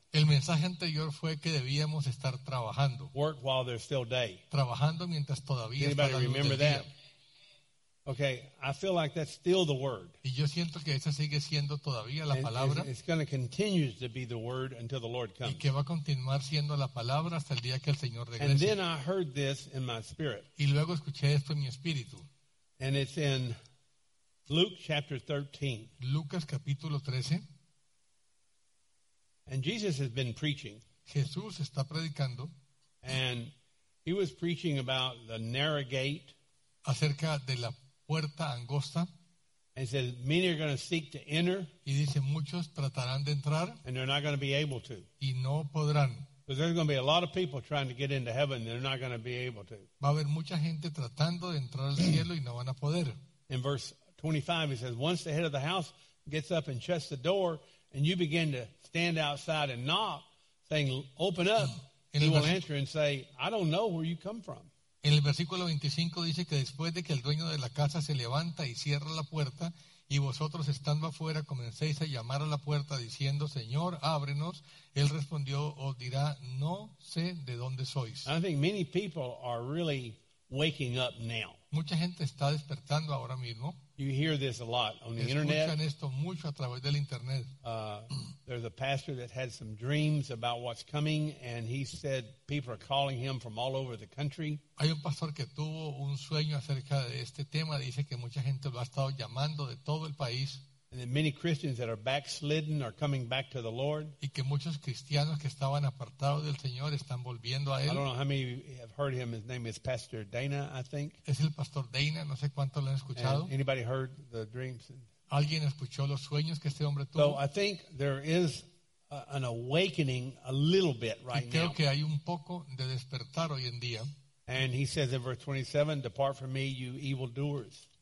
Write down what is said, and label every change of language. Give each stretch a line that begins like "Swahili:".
Spanish: El mensaje anterior fue que debíamos estar trabajando.
English: Work while there's still day.
Spanish: Trabajando mientras todavía está la luz del día.
English: Okay, I feel like that's still the word.
Spanish: Y yo siento que esa sigue siendo todavía la palabra.
English: It's going to continue to be the word until the Lord comes.
Spanish: Y que va a continuar siendo la palabra hasta el día que el Señor regrese.
English: And then I heard this in my spirit.
Spanish: Y luego escuché esto en mi espíritu.
English: And it's in Luke chapter 13.
Spanish: Lucas capítulo 13.
English: And Jesus has been preaching.
Spanish: Jesús está predicando.
English: And he was preaching about the narrow gate.
Spanish: Acerca de la puerta angosta.
English: And he says, many are going to seek to enter.
Spanish: Y dice, muchos tratarán de entrar.
English: And they're not going to be able to.
Spanish: Y no podrán.
English: Because there's going to be a lot of people trying to get into heaven, they're not going to be able to.
Spanish: Va a haber mucha gente tratando de entrar al cielo y no van a poder.
English: In verse 25, he says, once the head of the house gets up and shuts the door, and you begin to stand outside and knock, saying, open up, he will answer and say, I don't know where you come from.
Spanish: En el versículo 25 dice que después de que el dueño de la casa se levanta y cierra la puerta, y vosotros estando afuera comencéis a llamar a la puerta diciendo, Señor, ábrenos. Él respondió, os dirá, no sé de dónde sois.
English: I think many people are really waking up now.
Spanish: Mucha gente está despertando ahora mismo.
English: You hear this a lot on the internet.
Spanish: Escuchan esto mucho a través del internet.
English: There's a pastor that had some dreams about what's coming, and he said people are calling him from all over the country.
Spanish: Hay un pastor que tuvo un sueño acerca de este tema. Dice que mucha gente lo ha estado llamando de todo el país.
English: And that many Christians that are backslidden are coming back to the Lord.
Spanish: Y que muchos cristianos que estaban apartados del Señor están volviendo a él.
English: I don't know how many have heard him. His name is Pastor Dana, I think.
Spanish: Es el Pastor Dana. No sé cuánto lo han escuchado.
English: And anybody heard the dreams?
Spanish: ¿Alguien escuchó los sueños que este hombre tuvo?
English: So I think there is an awakening a little bit right
Spanish: y creo
English: now.
Spanish: Creo que hay un poco de despertar hoy en día.
English: And he says in verse 27, depart from me, you evildoers.